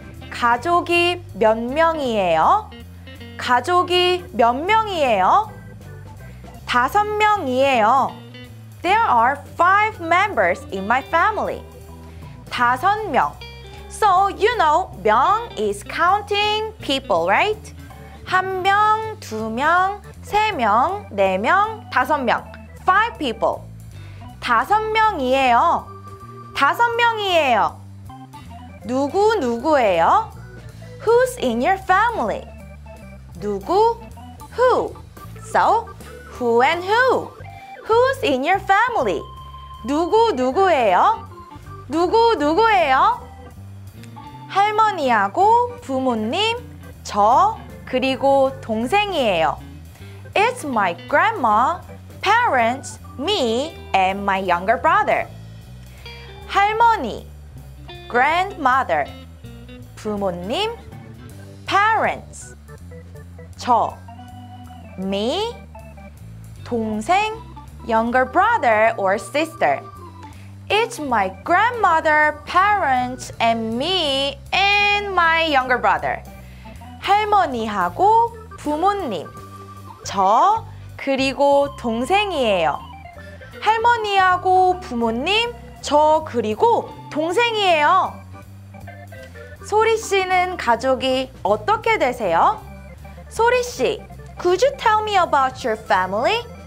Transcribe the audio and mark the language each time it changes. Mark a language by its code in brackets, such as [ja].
[ko] 가족이 몇 명이에요? 가족이 몇 명이에요? 다섯 명이에요. [en] There are five members in my family. [ko] 다섯 명. [en] So, you know, 명 is counting people, right? [ko] 한 명, 두 명, 세 명, 네 명, 다섯 명. [en] Five people. [ko] 다섯 명이에요. 다섯 명이에요. 누구 누구예요? [en] Who's in your family? 누구? Who? So, who and who? Who's in your family? [ko] 누구 누구예요? 누구 누구예요? 할머니하고 부모님, 저, 그리고 동생이에요. [en] It's my grandma, parents, me, and my younger brother. 할머니, grandmother, 부모님, parents, 저, me, 동생, younger brother or sister. It's my grandmother, parents, and me, and my younger brother. [ko] 할머니하고 부모님, 저, 그리고 동생이에요. 할머니하고 부모님, 저, 그리고 동생이에요. 소리 씨는 가족이 어떻게 되세요? [en] 소리 씨, could you tell me about your family?